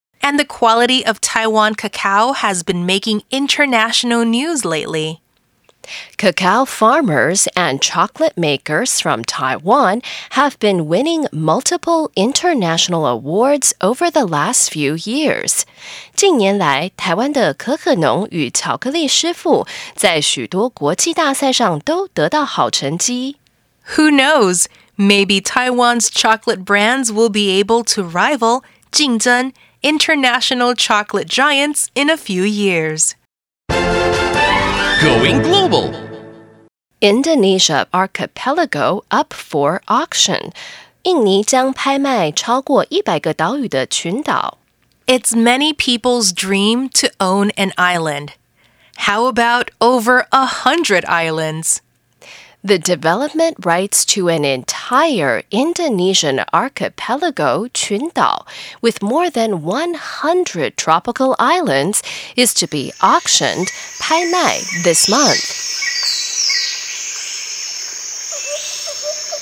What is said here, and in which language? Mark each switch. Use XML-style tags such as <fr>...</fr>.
<en>And the quality of Taiwan cacao has been making international news lately. Cacao farmers and chocolate makers from Taiwan have been winning multiple international awards over the last few years.</en> <zh>近年来，台湾的可可农与巧克力师傅在许多国际大赛上都得到好成绩。</zh> <en>Who knows? Maybe Taiwan's chocolate brands will be able to rival 竞争 international chocolate giants in a few years. Going global. Indonesia archipelago up for auction.</en> <zh>印尼将拍卖超过100个岛屿的群岛。</zh> <en>It's many people's dream to own an island. How about over 100 islands? The development rights to an entire Indonesian archipelago, 群岛, with more than 100 tropical islands, is to be auctioned, 拍卖, this month.</en>